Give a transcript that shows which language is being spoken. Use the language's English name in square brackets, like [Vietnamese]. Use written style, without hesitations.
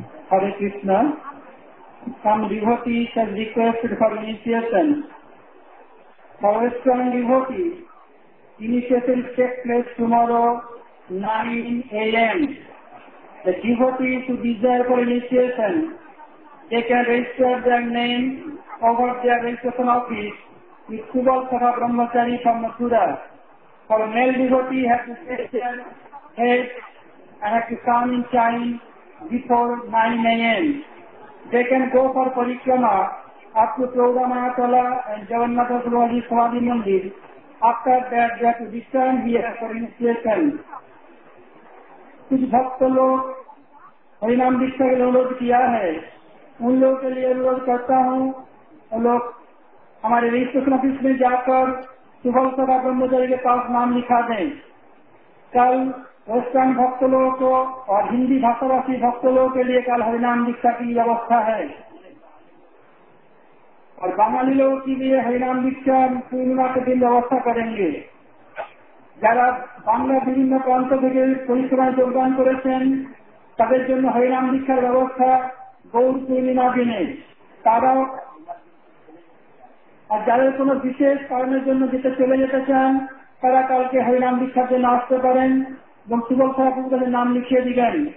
[English] Hare Krishna, some devotee sir requested for initiation, সরেশন devotee initiation take place tomorrow 9 AM. The devotees who desire for initiation, they can register their name over their registration office with Subal Sakha Brahmachari from Mathura. For a male devotee, he has to shave their head and has to come in time before 9 AM. They can go for parikrama up to Chowda Mahatala and Jagannatha Swami Samadhi Mandir. After that, they have to return here for initiation. [Hindi] कुछ भक्त लोग हरिनाम दीक्षा के लिए अनुरोध किया है, उन लोगों के लिए अनुरोध करता हूँ, लोग हमारे रजिस्ट्रेशन ऑफिस में जाकर सुबह सभा ब्रह्मचारी के पास नाम लिखा दें। कल वेस्टर्न भक्त लोगों को और हिंदी भाषा भाषी भक्त लोगों के लिए कल हरिनाम दीक्षा की व्यवस्था है, और बंगाली लोगों के लिए हरिनाम दीक्षा पूर्णिमा के दिन व्यवस्था करेंगे। [Bangla] যারা বাংলার বিভিন্ন প্রান্ত থেকে পরিষেবায় যোগদান করেছেন, তাদের জন্য হরিনাম দীক্ষার ব্যবস্থা গৌর পূর্ণিমা দিনে তারাও, আর যাদের কোন বিশেষ কারণের জন্য যেতে চলে যেতে চান, তারা কালকে হরিনাম দীক্ষার জন্য আসতে পারেন এবং সুবল সভাপতির নাম লিখিয়ে দিবেন।